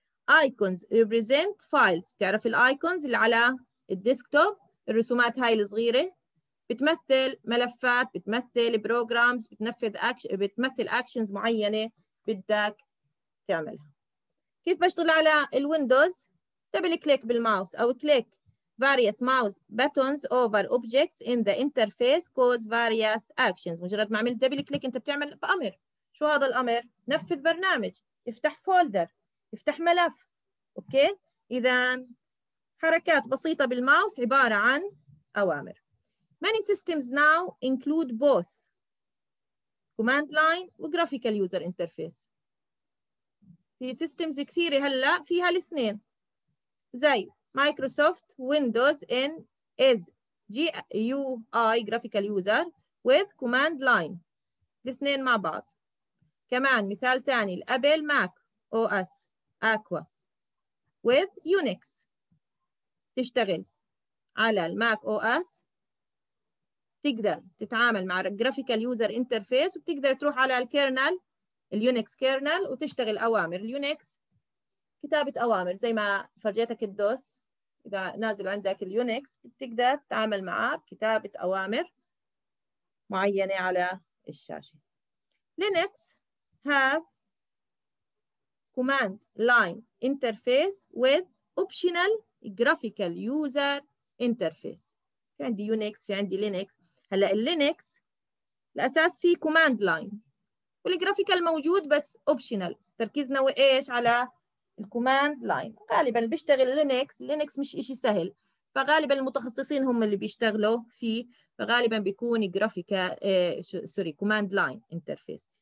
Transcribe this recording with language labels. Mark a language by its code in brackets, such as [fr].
[en] Icons represent files، [ar] تعرف الايكونز اللي على الديسكتوب، الرسومات هاي الصغيره، بتمثل ملفات، بتمثل بروجرامز، بتمثل اكشنز معينه بدك تعملها. كيف بشتغل على الويندوز؟ دبل كليك بالماوس او [en] Click various mouse buttons over objects in the interface cause various actions. [ar] مجرد ما عملت دبل كليك انت بتعمل بامر. شو هذا الامر؟ نفذ برنامج، افتح فولدر، افتح ملف. اوكي، اذا حركات بسيطه بالماوس عباره عن اوامر. [en] Many systems now include both command line وجرافيكال user interface. [ar] في سيستمز كثيره هلا فيها الاثنين، زي مايكروسوفت ويندوز [en] in as G U I graphical user with command line, [ar] الاثنين مع بعض. كمان مثال ثاني الابل ماك او اس اكوا with Unix، تشتغل على الماك او اس، تقدر تتعامل مع جرافيكال يوزر انترفيس، وبتقدر تروح على الكيرنل اليونكس كيرنل وتشتغل اوامر. اليونكس كتابه اوامر زي ما فرجيتك الدوس، اذا نازل عندك اليونكس بتقدر تتعامل معه بكتابه اوامر معينه على الشاشه. [en] Linux have command line interface with optional graphical user interface. [ar] في عندي يونكس، في عندي لينكس. هلا اللينكس الاساس فيه command line، والجرافيكال موجود بس optional. تركيزنا وايش؟ على الكوماند لاين. غالبا بيشتغل لينكس، لينكس مش اشي سهل، فغالبا المتخصصين هم اللي بيشتغلوا فيه، فغالبا بيكون graphical command line interface.